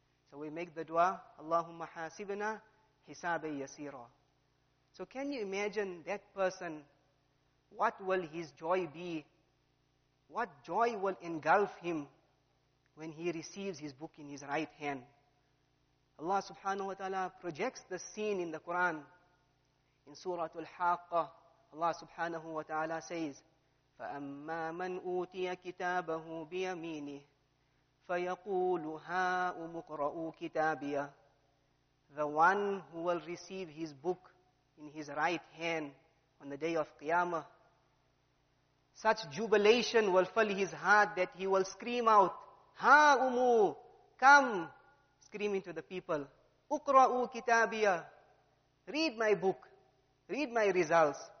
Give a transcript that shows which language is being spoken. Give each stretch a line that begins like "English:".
English: So we make the dua,
Arabic: اللهم حاسبنا حسابا يسيرا.
English: So can you imagine that person, what will his joy be? What joy will engulf him when he receives his book in his right hand? Allah subhanahu wa ta'ala projects the scene in the Quran. In Surah Al-Haqqah, Allah subhanahu wa ta'ala says,
Arabic: فَأَمَّا مَنْ أُوْتِيَ كِتَابَهُ بِيَمِينِهِ فَيَقُولُ هَا أُمُقْرَأُوا كِتَابِيَ.
English: The one who will receive his book in his right hand on the day of Qiyamah, such jubilation will fill his heart that he will scream out,
Arabic: Ha umu,
English: come, screaming to the people,
Arabic: Ukra'u kitabiya,
English: read my book, read my results.